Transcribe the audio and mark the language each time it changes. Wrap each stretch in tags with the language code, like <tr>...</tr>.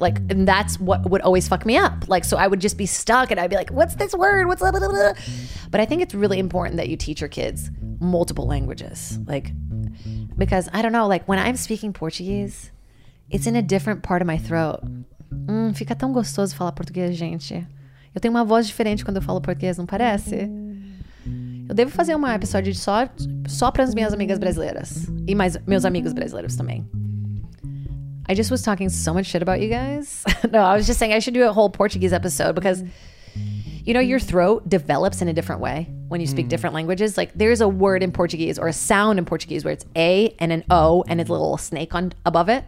<en>Like, and that's what would always fuck me up. Like, so I would just be stuck and I'd be like, what's this word? What's blah, blah, blah, blah. But I think it's really important that you teach your kids multiple languages. Like, because I don't know, like when I'm speaking Portuguese, it's in a different part of my throat.</en> <pt>Fica tão gostoso falar português, gente. Eu tenho uma voz diferente quando eu falo português, não parece? Eu devo fazer um episódio só para as minhas amigas brasileiras e mais meus amigos brasileiros também.</pt> <en>I just was talking so much shit about you guys. No, I was just saying I should do a whole Portuguese episode because, you know, your throat develops in a different way when you speak different languages. Like there's a word in Portuguese or a sound in Portuguese where it's A and an O and a little snake on above it.</en>